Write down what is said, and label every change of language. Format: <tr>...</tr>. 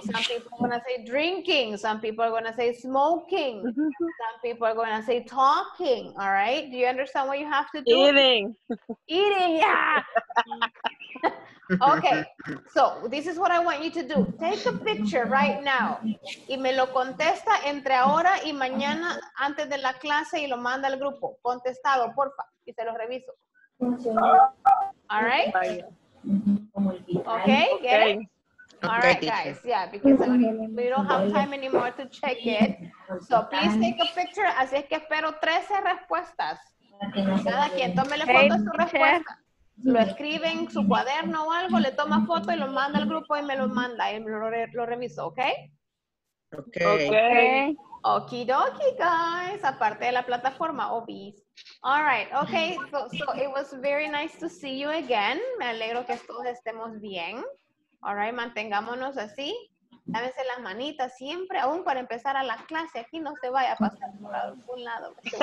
<en>Some people are gonna say drinking. Some people are gonna say smoking. Some people are gonna say talking, all right? Do you understand what you have to do? Eating. Eating, yeah. Okay, so this is what I want you to do. Take a picture right now.</en> <es>Y me lo contesta entre ahora y mañana antes de la clase y lo manda al grupo. Contestado, porfa, y se lo reviso. All right?</es> <en>Okay, get it? All right, guys, yeah, because we don't have time anymore to check it. So please take a picture.</en> <es>Así es que espero 13 respuestas. Cada quien tómele foto a su respuesta. Lo escribe en su cuaderno o algo, le toma foto y lo manda al grupo y me lo manda. Y me lo reviso, ¿ok? Ok.</es> <en>Okie dokie, guys.</en> <es>Aparte de la plataforma, obis.</es> <en>All right, ok. So it was very nice to see you again.</en> <es>Me alegro que todos estemos bien. All right, mantengámonos así. Lávense las manitas siempre, aún para empezar a la clase. Aquí no se vaya a pasar por algún lado.</es>